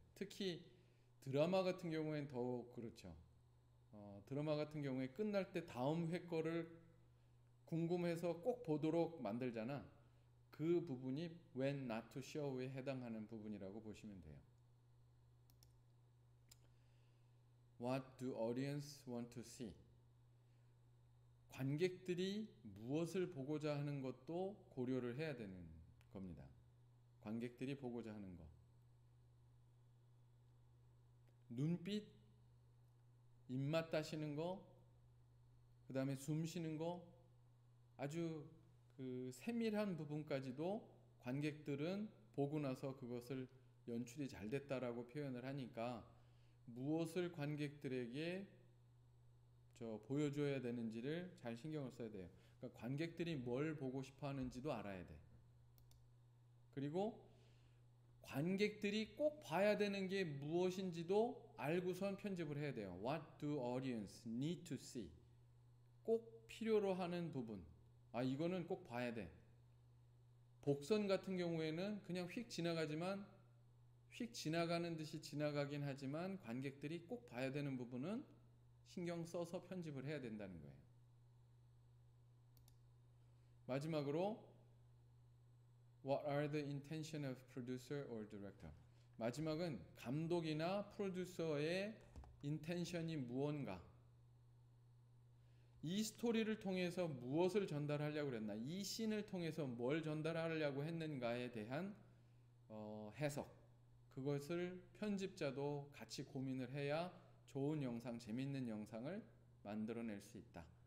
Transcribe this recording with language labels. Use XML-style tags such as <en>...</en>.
<ko>특히 드라마 같은 경우에는 더욱 그렇죠. 드라마 같은 경우에 끝날 때 다음 회 거를 궁금해서 꼭 보도록 만들잖아. 그 부분이</ko> <en>When Not to Show</en> <ko>에 해당하는 부분이라고 보시면 돼요.</ko> <en>What do audience want to see?</en> <ko>관객들이 무엇을 보고자 하는 것도 고려를 해야 되는 겁니다. 관객들이 보고자 하는 것. 눈빛, 입맛 따시는 거, 그 다음에 숨 쉬는 거, 아주 그 세밀한 부분까지도 관객들은 보고 나서 그것을 연출이 잘 됐다라고 표현을 하니까 무엇을 관객들에게 저 보여줘야 되는지를 잘 신경을 써야 돼요. 그러니까 관객들이 뭘 보고 싶어 하는지도 알아야 돼. 그리고 관객들이 꼭 봐야 되는 게 무엇인지도 알고선 편집을 해야 돼요.</ko> <en>What do audience need to see?</en> <ko>꼭 필요로 하는 부분. 아, 이거는 꼭 봐야 돼. 복선 같은 경우에는 그냥 휙 지나가지만 휙 지나가는 듯이 지나가긴 하지만 관객들이 꼭 봐야 되는 부분은 신경 써서 편집을 해야 된다는 거예요. 마지막으로</ko> <en>What are the intention of producer or director?</en> <ko>마지막은 감독이나 프로듀서의 인텐션이 무언가. 이 스토리를 통해서 무엇을 전달하려고 했나? 이 씬을 통해서 뭘 전달하려고 했는가에 대한 해석. 그것을 편집자도 같이 고민을 해야 좋은 영상, 재밌는 영상을 만들어낼 수 있다.</ko>